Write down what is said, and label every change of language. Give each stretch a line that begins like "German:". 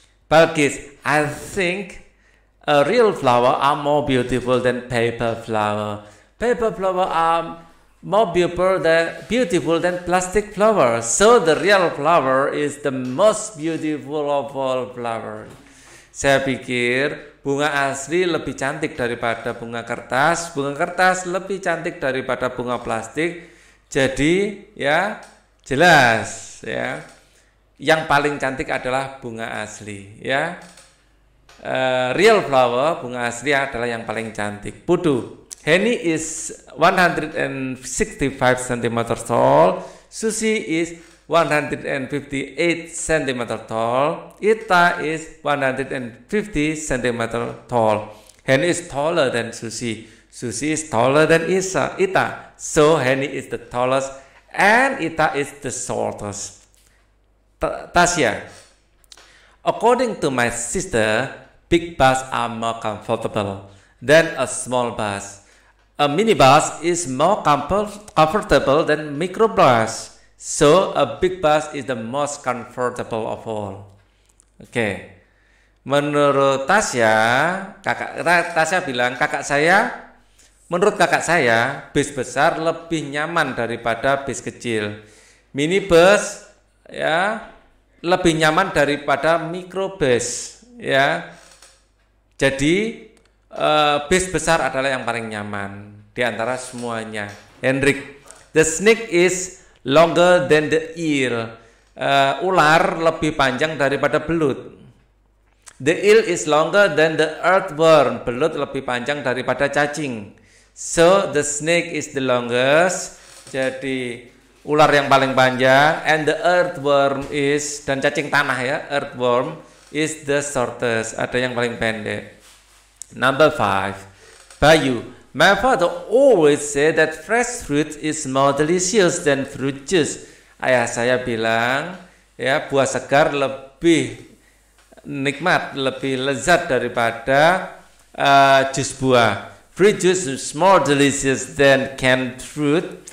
English: Balkis, I think a real flower are more beautiful than paper flower. Paper flower are more beautiful than plastic flower. So the real flower is the most beautiful of all flowers.
Indonesian: Saya pikir bunga asli lebih cantik daripada bunga kertas. Bunga kertas lebih cantik daripada bunga plastik. Jadi, ya, jelas, ya. Yang paling cantik adalah bunga asli, ya. Real flower, bunga asli adalah yang paling cantik.
English: Pudu, Henny is 165 cm tall. Susie is 158 cm tall. Ita is 150 cm tall. Henny is taller than Susie. Susie is taller than Ita. So Henny is the tallest and Ita is the shortest. Tasya, according to my sister, big bus are more comfortable than a small bus. A minibus is more comfortable than microbus, so a big bus is the most comfortable of all. Oke.
Indonesian: Menurut Tasya, menurut kakak saya, bis besar lebih nyaman daripada bis kecil. Minibus ya lebih nyaman daripada mikrobus ya. Jadi bis besar adalah yang paling nyaman di antara semuanya.
English: Hendrik, the snake is longer than the eel.
Indonesian: Ular lebih panjang daripada belut.
English: The eel is longer than the earthworm.
Indonesian: Belut lebih panjang daripada cacing.
English: So the snake is the longest.
Indonesian: Jadi ular yang paling panjang,
English: and the earthworm is,
Indonesian: dan cacing tanah ya,
English: earthworm is the shortest.
Indonesian: Ada yang paling pendek.
English: Number 5. Bayu, my father always say that fresh fruit is more delicious than fruit juice.
Indonesian: Ayah saya bilang, ya, buah segar lebih nikmat, lebih lezat daripada jus buah.
English: Fruit juice is more delicious than canned fruit.